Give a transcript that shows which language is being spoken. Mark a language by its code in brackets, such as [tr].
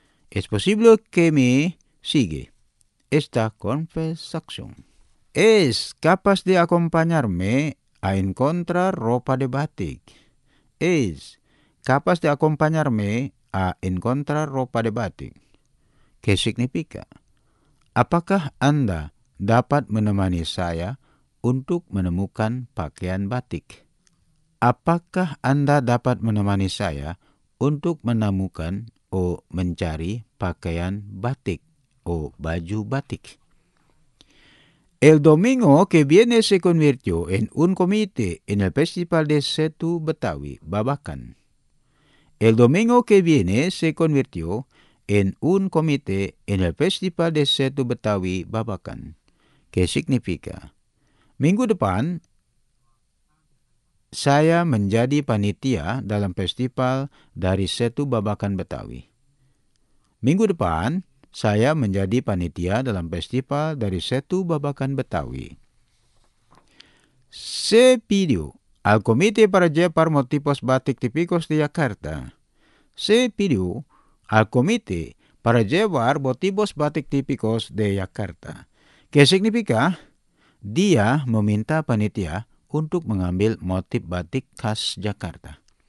[es] Es posible que me siga esta conversación. ¿Es capaz de acompañarme a encontrar ropa de batik? ¿Es capaz de acompañarme a encontrar ropa de batik? ¿Qué significa? [id] ¿Apakah Anda dapat menemani saya untuk menemukan pakaian batik? ¿Apakah Anda dapat menemani saya untuk menemukan o mencari pakaian batik o baju batik? [es] El domingo que viene se convirtió en un comité en el Festival de Setu Betawi, Babakan. El domingo que viene se convirtió en un comité en el Festival de Setu Betawi, Babakan. ¿Qué significa? [id] Minggu depan, saya menjadi panitia dalam festival dari Setu Babakan Betawi. Minggu depan, saya menjadi panitia dalam festival dari Setu Babakan Betawi. [es] Se pidió al Comité para llevar motivos batik típicos de Jakarta. Se pidió al Comité para llevar motivos batik típicos de Jakarta. ¿Qué significa? [id] Dia meminta panitia untuk mengambil motif batik khas Jakarta.